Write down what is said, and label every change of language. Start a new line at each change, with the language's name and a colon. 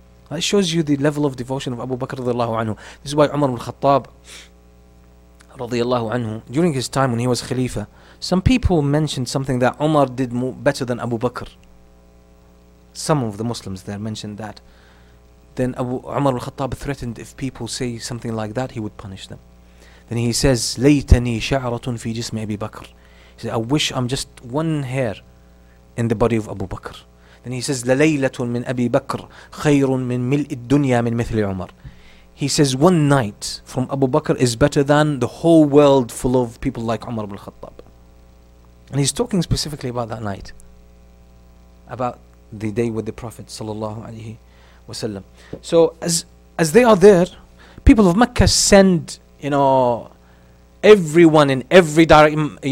English: That shows you the level of devotion of Abu Bakr radiallahu anhu. This is why Umar ibn Khattab radiallahu anhu, during his time when he was Khalifa, some people mentioned something that Umar did better than Abu Bakr. Some of the Muslims there mentioned that. Then Umar al-Khattab threatened if people say something like that, he would punish them. Then he says,
Arabic: لَيْتَنِي شَعْرَةٌ فِي جِسْمِ أَبِي بَكْرٍ.
English: He said, I wish I'm just one hair in the body of Abu Bakr. Then he says,
Arabic: لَلَيْلَةٌ مِنْ أَبِي بَكْرٍ خَيْرٌ مِنْ مِلْءِ الدُّنْيَا مِنْ مِثْلِ عُمَرٍ.
English: He says, one night from Abu Bakr is better than the whole world full of people like Umar ibn Khattab. And he's talking specifically about that night, about the day with the Prophet sallallahu alayhi wasallam. So as they are there, people of Mecca send, you know, everyone in every direction.